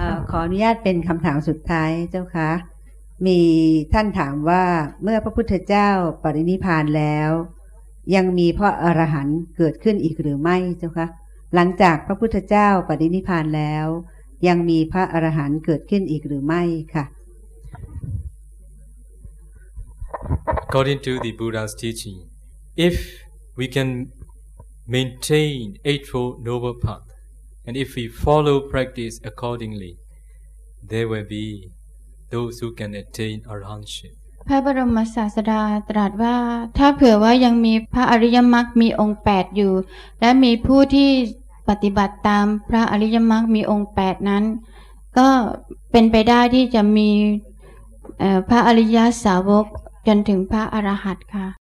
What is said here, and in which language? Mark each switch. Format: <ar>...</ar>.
<th>ขออนุญาตเป็นคำถามสุดท้ายเจ้าคะมีท่านถามว่าเมื่อพระพุทธเจ้าปรินิพพานแล้วยังมีพระอรหันต์เกิดขึ้นอีกหรือไม่เจ้าคะหลังจากพระพุทธเจ้าปรินิพพานแล้วยังมีพระอรหันต์เกิดขึ้นอีกหรือไม่ค่ะ</th> <en>According to the Buddha's teaching, if we can maintain Eightfold Noble Path, and if we follow practice accordingly, there will be those who can attain Arahantship.</en> <th>พระบรมศาสดาตรัสว่าถ้าเผื่อว่ายังมีพระอริยมรรคมีองค์8อยู่และมีผู้ที่ปฏิบัติตามพระอริยมรรคมีองค์8นั้นก็เป็นไปได้ที่จะมีพระอริยสาวกจนถึงพระอรหัตค่ะ</th>